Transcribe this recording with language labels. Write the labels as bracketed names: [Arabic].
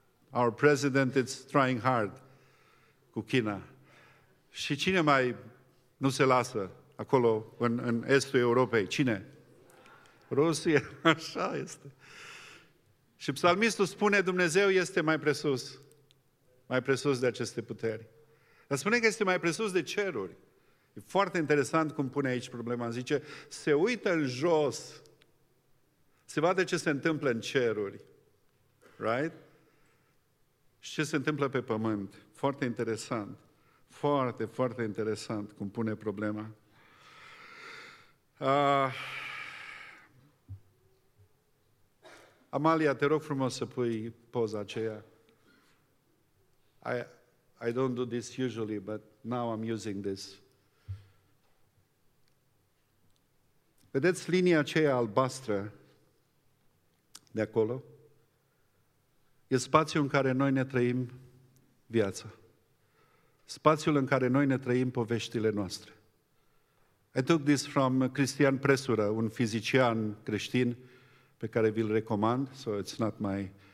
[English] Our president is trying hard [Romanian] cu China. Și cine mai nu se lasă acolo în estul Europei? Cine? Rusia, așa este. Și psalmistul spune, Dumnezeu este mai presus. Mai presus de aceste puteri. Dar spune că este mai presus de ceruri. E foarte interesant cum pune aici problema. Zice, se uită în jos. Se vede ce se întâmplă în ceruri. Right? Și ce se întâmplă pe pământ. Foarte interesant. Foarte, foarte interesant cum pune problema. Amalia, te rog frumos să pui poza aceea. [English] I don't do this usually, but now I'm using this. [Romanian] Vedeți linia aceea albastră de acolo? E spațiul în care noi ne trăim viața. Spațiul în care noi ne trăim poveștile noastre. [English] I took this from Cristian Presură, [Romanian] un fizician creștin pe care vi-l recomand, [English] so it's not my...